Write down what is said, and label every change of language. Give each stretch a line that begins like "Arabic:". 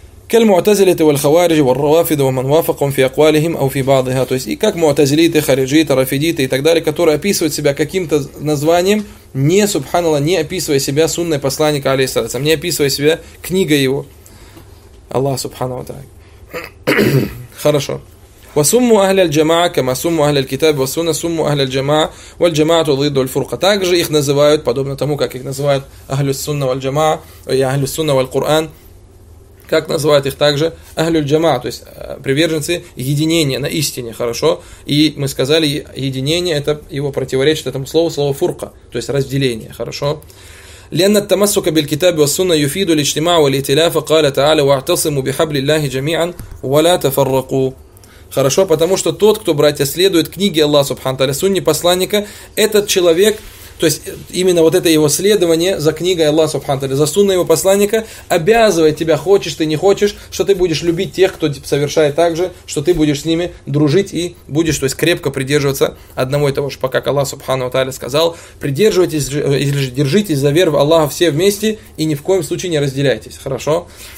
Arabic: كل معتزلية والخوارج والروافض ومن وافقهم في أقوالهم أو في بعضها.
Russian: То есть и как معتزилиты, хариджиты, рафидиты и так далее, которые описывают себя каким-то названием, не субханаллах, не описывая себя сунной посланника алейхиссалям, не описывая себя книгой его. Аллах Субхану ва Тааля. Хорошо.
Arabic: وسموا أهل الجماعة كما سموا أهل الكتاب والسنة سموا أهل الجماعة والجماعة ضد الفرقة.
Russian: Также их называют, подобно тому, как их называют Ахлю Сунна валь Джамаа, и Ахлю Сунна валь Кур'ан, как называют их также Ахлю Джамаа, то есть приверженцы единения на истине, хорошо? И мы сказали, единение, это его противоречит этому слову, слово фурка, то есть разделение, хорошо?
Arabic: لأن التمسك بالكتاب والسنة يفيد الاجتماع والائتلاف قال تعالى واعتصموا بحبل الله جميعا ولا تفرقوا.
Russian: Хорошо, потому что тот, кто, братья, следует книге Аллаха Субхану Тааля, сунне посланника, этот человек, то есть именно вот это его следование за книгой Аллаха Субхану Тааля, за сунной его посланника, обязывает тебя, хочешь ты, не хочешь, что ты будешь любить тех, кто совершает так же, что ты будешь с ними дружить и будешь, то есть, крепко придерживаться одного и того же, пока Аллах Субхану Тааля сказал, придерживайтесь, держитесь за веру Аллаха все вместе и ни в коем случае не разделяйтесь, хорошо?